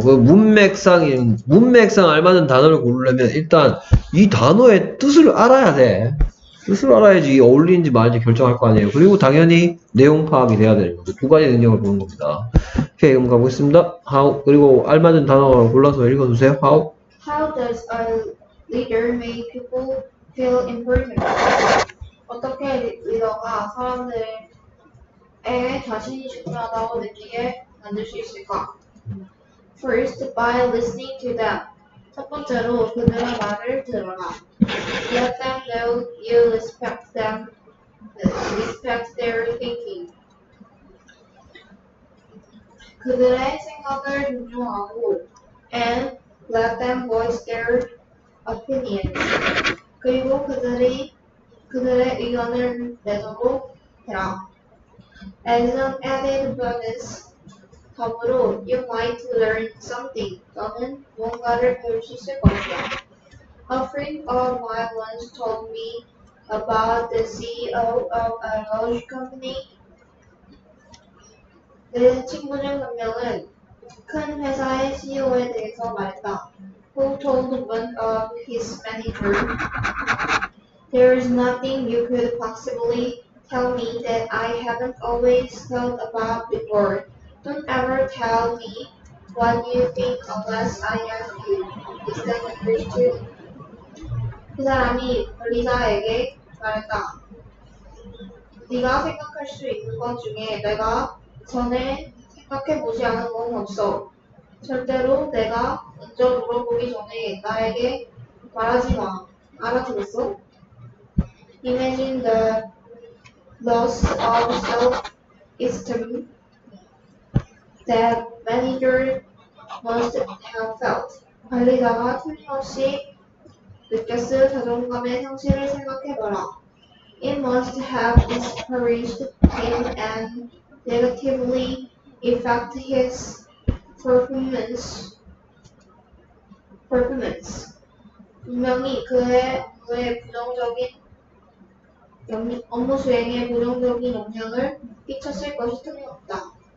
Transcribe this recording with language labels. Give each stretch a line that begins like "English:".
Korean: 그 문맥상 알맞은 단어를 고르려면 일단 이 단어의 뜻을 알아야 돼. 뜻을 알아야지 어울리는지 말인지 결정할 거 아니에요. 그리고 당연히 내용 파악이 돼야 되는 거죠. 두 가지 능력을 보는 겁니다. 오케이, 그럼 가보겠습니다. 하우, 그리고 알맞은 단어를 골라서 읽어주세요. 하우.
English: How does a leader make people feel important?
Korean: 어떻게 리더가 사람들에게 자신이 중요하다고 느끼게 만들 수 있을까?
English: First, by listening to them.
Korean: 첫 번째로 그들의 말을 들어라.
English: Let them know you respect them, respect their thinking.
Korean: 그들의 생각을 존중하고,
English: and let them voice their opinions.
Korean: 그리고 그들의 의견을 내도록 해라.
English: As an added bonus,
Korean: 다음으로
English: you might learn something.
Korean: 너는 뭔가를 배울 수 있을 것이다.
English: A friend of mine once told me about the CEO of a large company.
Korean: 내 친구는 한 명은 큰 회사의 CEO에 대해서 말했다.
English: Who told one of his manager? There is nothing you could possibly tell me that I haven't always thought about before. Don't ever tell me what you think unless I ask you. Is that understood?
Korean: 그 사람이 관리자에게 말했다. 네가 생각할 수 있는 것 중에 내가 전에 생각해 보지 않은 건 없어. 절대로 내가 먼저 물어보기 전에 나에게 말하지 마. 알아들었어?
English: Imagine the loss of self-esteem that manager must have felt.
Korean: 관리자가 틀림없이 느꼈을 자존감의 상실을 생각해봐라.
English: It must have discouraged him and negatively affected his performance.
Korean: 분명히 그의 부정적인 업무 수행에 부정적인 영향을 끼쳤을 것이 틀림없다.